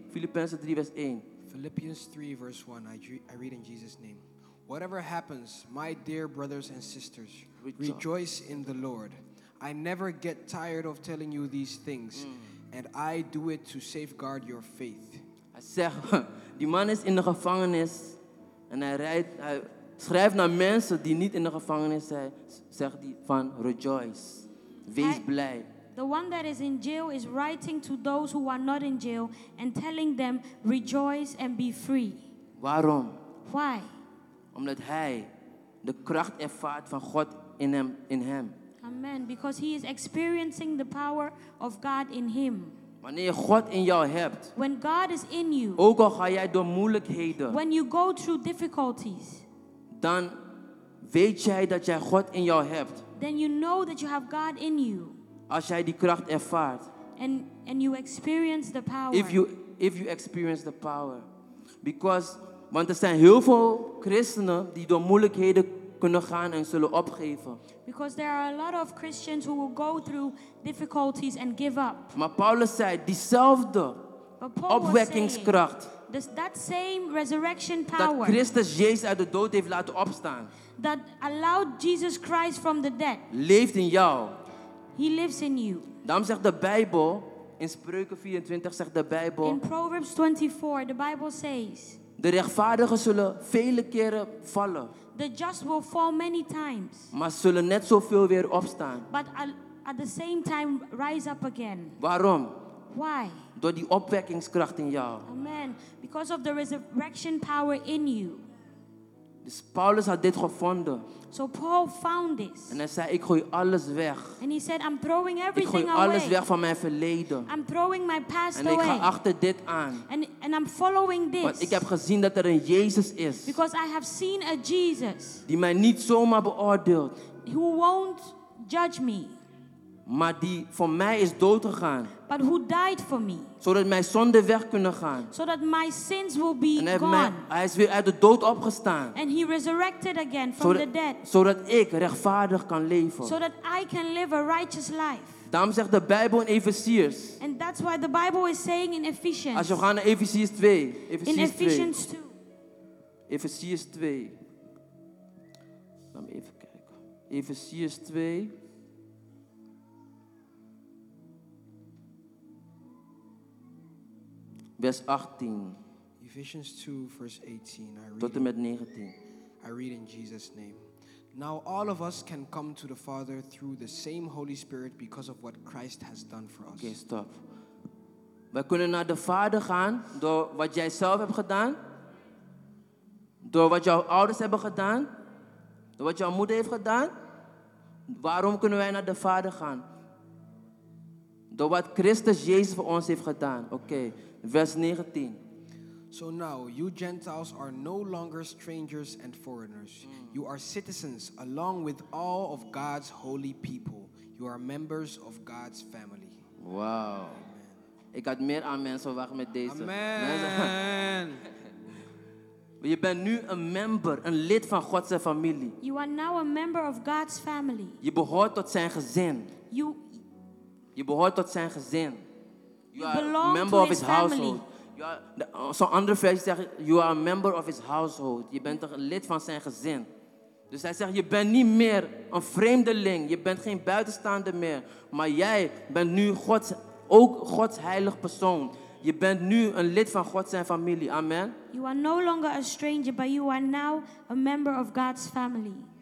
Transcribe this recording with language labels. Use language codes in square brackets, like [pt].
[nl] Filippenzen 3 vers 1. [en] Philippians 3 verse 1. I read in Jesus' name. Whatever happens, my dear brothers and sisters, rejoice in the Lord. I never get tired of telling you these things. And I do it to safeguard your faith. [nl] Hij zegt, die man is in de gevangenis. En hij schrijft naar mensen die niet in de gevangenis zijn. Zegt die van, rejoice. Wees blij. [en] The one that is in jail is writing to those who are not in jail. And telling them, rejoice and be free. [nl] Waarom? [en] Why? [nl] Omdat hij de kracht ervaart van God in hem. Amen. [en] Because he is experiencing the power of God in him. [nl] Wanneer God in jou hebt. [en] When God is in you. [nl] Ook al ga jij door moeilijkheden. [en] When you go through difficulties. [nl] Dan weet jij dat jij God in jou hebt. [en] Then you know that you have God in you. [nl] Als jij die kracht ervaart. [en] And you experience the power. If you experience the power. [nl] Want er zijn heel veel christenen die door moeilijkheden kunnen gaan en zullen opgeven. [en] Because there are a lot of Christians who will go through difficulties and give up. [nl] Maar Paulus zei diezelfde opwekkingskracht. [en] That same resurrection power. [nl] Dat Christus Jezus uit de dood heeft laten opstaan. [en] That allowed Jesus Christ from the dead. [nl] Leeft in jou. [en] He lives in you. [nl] Daarom zegt de Bijbel in Spreuken 24 zegt de Bijbel. [en] In Proverbs 24 the Bible says. [nl] De rechtvaardigen zullen vele keren vallen. [en] The just will fall many times. [nl] Maar zullen net zoveel weer opstaan. [en] But at the same time rise up again. [nl] Waarom? [en] Why? [nl] Door die opwekkingskracht in jou. Amen. [en] Because of the resurrection power in you. [nl] Dus Paulus had dit gevonden. [en] So Paul found this. [nl] En hij zei, ik gooi alles weg. [en] And he said, I'm throwing everything [nl] away. Ik gooi alles [en] away. [nl] Weg van mijn verleden. [en] I'm throwing my past [nl] en [en] away. [nl] En ik ga achter dit aan. [en] And I'm following this. [nl] Want ik heb gezien dat er een Jezus is. [en] Because I have seen a Jesus. [nl] Die mij niet zomaar beoordeelt. [en] Who won't judge me. [nl] Maar die voor mij is dood gegaan. [en] But who died for me. [nl] Zodat mijn zonden weg kunnen gaan. [en] So that my sins will be [nl] en hij [en] gone. [nl] Hij is weer uit de dood opgestaan. [en] And he resurrected again from the dead. [nl] Zodat ik rechtvaardig kan leven. [en] So that I can live a righteous life. [nl] Daarom zegt de Bijbel in Efeziërs. [en] And that's why the Bible is saying in Ephesians. [nl] Als je gaat naar Efeziërs 2. [en] Ephesians in Ephesians [nl] 2. Efeziërs 2. Laat me even kijken. Efeziërs 2. Vers 18. [en] Ephesians 2, verse 18. I read [nl] tot en met 19. [en] I read in Jesus' name. Now all of us can come to the Father through the same Holy Spirit because of what Christ has done for us. Okay, stop. [nl] Wij kunnen naar de Vader gaan door wat jij zelf hebt gedaan. Door wat jouw ouders hebben gedaan. Door wat jouw moeder heeft gedaan. Waarom kunnen wij naar de Vader gaan? Door wat Christus Jezus voor ons heeft gedaan. Okay. Vers 19. [en] So now, you Gentiles are no longer strangers and foreigners. You are citizens along with all of God's holy people. You are members of God's family. Wow. [nl] Amen. Ik had meer aan mensen wacht met deze. Amen. Je bent nu een member, een lid van [en] God's family. You are now a member of God's family. [nl] Je behoort tot zijn gezin. Je behoort tot zijn gezin. [en] You are a member of his family. Household. [nl] Zo'n andere versie zegt, [en] you are a member of his household. [nl] Je bent een lid van zijn gezin. Dus hij zegt, je bent niet meer een vreemdeling. Je bent geen buitenstaander meer. Maar jij bent nu ook Gods heilig persoon. Je bent nu een lid van God zijn familie. Amen. [en] You are no longer a stranger, but you are now a member of God's family.